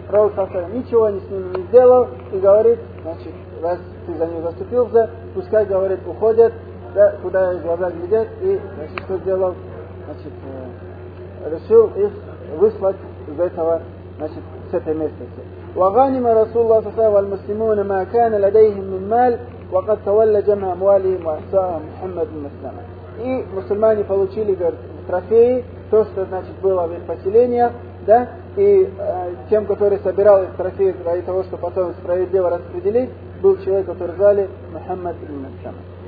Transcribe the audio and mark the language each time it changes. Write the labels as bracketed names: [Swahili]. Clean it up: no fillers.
[Arabic] رأوا صلى الله عليه وسلم ما يصنع من [Russian] говорит, значит, раз ты за него заступился, пускай, говорит, уходят, да, куда их глаза глядят, и, значит, что сделал, значит, решил их выслать из этого, значит, с этой местности. [Arabic] وغنم رسول الله صلى الله عليه وسلم المسلمون ما كان لديهم من مال وقد تولى جمع أموالهم وأحصاها محمد بن مسلمة. [Russian] И мусульмане получили, говорит, трофеи, то, что, значит, было в их поселениях, да, и тем, который собирал их трофеи ради того, чтобы потом справедливо распределить, был человек, который звали Мухаммад ибн Мухаммад.